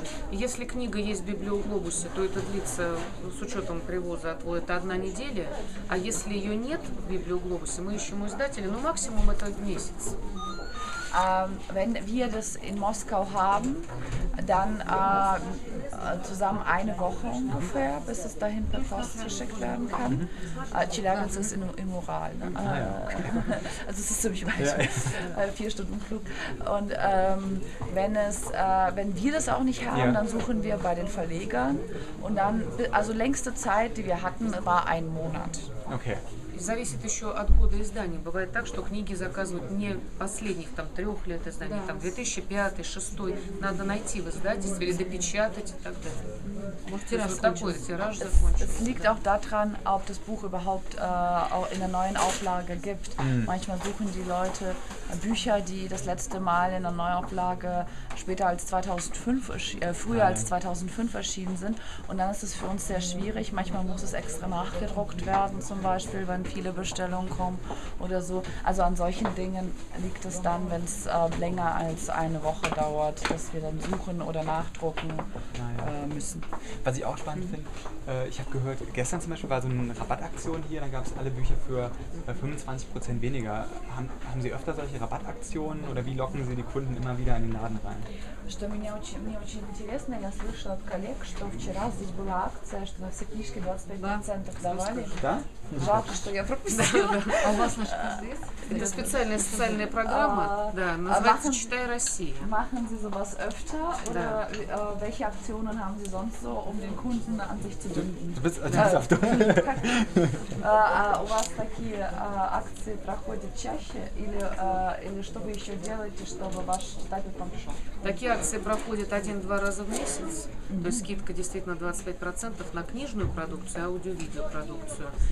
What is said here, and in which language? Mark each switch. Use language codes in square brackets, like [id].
[ru] Если книга есть в Библиоглобусе, то это длится с учетом привоза это одна неделя. А если ее нет в Библиоглобусе, мы ищем у издателя, но максимум это месяц. [de] Wenn wir das in Moskau haben, dann zusammen eine Woche ungefähr, bis es dahin per Post geschickt werden kann. Chelyabinsk ist im Ural. Ne? Also es ist ziemlich weit. Ja. 4 Stunden Flug. Und wenn wir das auch nicht haben, dann suchen wir bei den Verlegern. Und dann, also längste Zeit, die wir hatten, war ein Monat. Okay. [ru] Зависит еще от года издания. Бывает так, что книги заказывают не последних там 3 лет издания, там 2005-2006. Надо найти в издательстве или допечатать и так далее. Может, тираж такой, тираж закончится. [de] Es liegt auch daran, ob das Buch überhaupt in der neuen Auflage gibt. Manchmal suchen die Leute Bücher, die das letzte Mal in der Neuauflage später als 2005, früher als 2005 erschienen sind. Und dann ist es für uns sehr schwierig. Manchmal muss es extra nachgedruckt werden, zum Beispiel, wenn viele Bestellungen kommen oder so. Also an solchen Dingen liegt es dann, wenn es länger als eine Woche dauert, dass wir dann suchen oder nachdrucken müssen. Was ich auch spannend finde, ich habe gehört, gestern zum Beispiel war so eine Rabattaktion hier, dann gab es alle Bücher für 25% weniger. Haben Sie öfter solche Rabattaktionen oder wie locken Sie die Kunden immer wieder in den Laden rein? [ru] Что мне очень интересно, я слышала от коллег, что вчера здесь была акция, что на все книжки 25% давали. Да? Жалко, что я пропустила. А у вас здесь? Это специальная социальная программа, да, называется «Читай Россия». [de] Machen Sie sowas öfter oder welche Aktionen haben Sie sonst so, um den Kunden an sich zu binden? Du bist [ru] У вас такие акции проходят чаще или что вы еще делаете, чтобы ваш читатель там шел? Акции проходят 1-2 раза в месяц, то есть скидка действительно 25% на книжную продукцию, аудио-видеопродукцию.